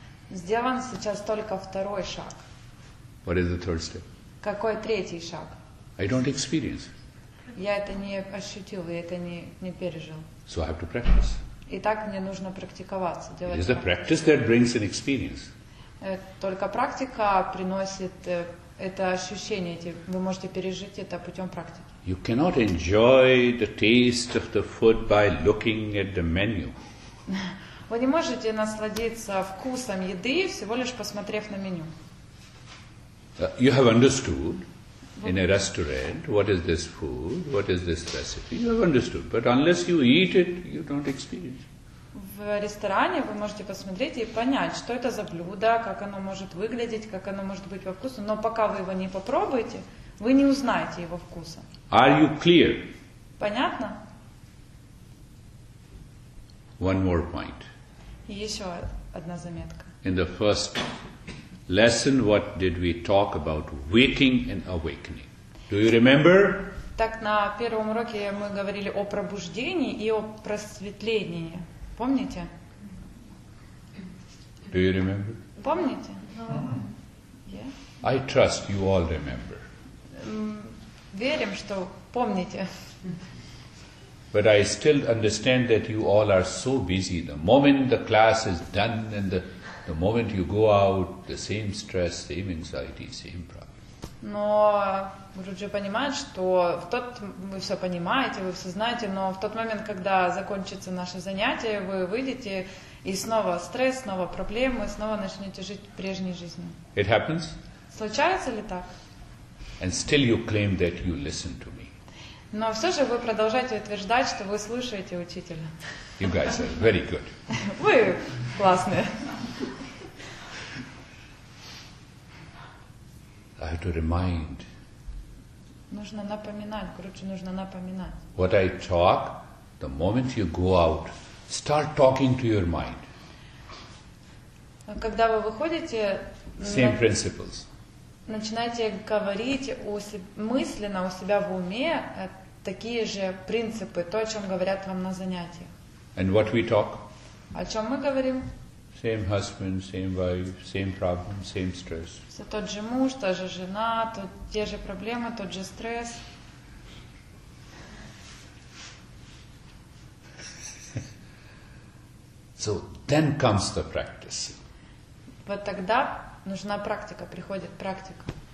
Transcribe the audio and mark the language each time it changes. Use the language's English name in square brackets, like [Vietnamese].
[Russian] Сделан сейчас только 2-й шаг. [English] What is the 3rd step? [Russian] Какой 3-й шаг? [English] I don't experience. [Russian] Я это не ощутил, я это не пережил. [English] So I have to practice. [Russian] Итак, мне нужно практиковаться, делать. [English] It is the practice that brings an experience. [Russian] Только практика приносит это ощущение. Вы можете пережить это путем практики. [English] You cannot enjoy the taste of the food by looking at the menu. [Russian] Вы не можете насладиться вкусом еды, всего лишь посмотрев на меню. [English] You have understood. In a restaurant, what is this food? What is this recipe? You have understood, but unless you eat it, you don't experience. [Russian] В ресторане вы можете посмотреть и понять, что это за блюдо, как оно может выглядеть, как оно может быть во вкусу. Но пока вы его не попробуете, вы не узнаете его вкуса. [English] Are you clear? [Russian] Понятно. [English] One more point. [Russian] Еще одна заметка. [English] In the first lesson, what did we talk about? Waking and awakening. Do you remember? [Russian] Так на первом уроке мы говорили о пробуждении и о просветлении. Помните? [English] Do you remember? [Russian] Помните? Mm-hmm. [English] Yeah. I trust you all remember. [Russian] Верим, что помните. [English] But I still understand that you all are so busy. The moment the class is done and the moment you go out, the same stress, same anxiety, same problem. [Russian] Но Руджи понимает, что в тот вы все понимаете, вы все знаете, но в тот момент, когда закончится наше занятие, вы выйдете и снова стресс, снова проблемы, снова начнете жить прежней жизнью. [English] It happens. [Russian] Случается ли так? [English] And still you claim that you listen to me. [Russian] Но все же вы продолжаете утверждать, что вы слушаете учителя. [English] You guys are very good. [Russian] Вы классные. [English] I have to remind. [Russian] Нужно напоминать, короче, нужно напоминать. [English] What I talk, the moment you go out, start talking to your mind. [Russian] Когда вы выходите, [English] same principles. [Russian] Начинайте говорить у себя, мысленно у себя в уме такие же принципы, то, о чем говорят вам на занятиях. [English] And what we talk? [Russian] О чем мы говорим? [English] Same husband, same wife, same problem, same stress. [Russian] Все тот же муж, та же жена, тут те же проблемы, тот же стресс. [English] So then comes the practice. [Russian] Вот тогда нужна практика, приходит практика.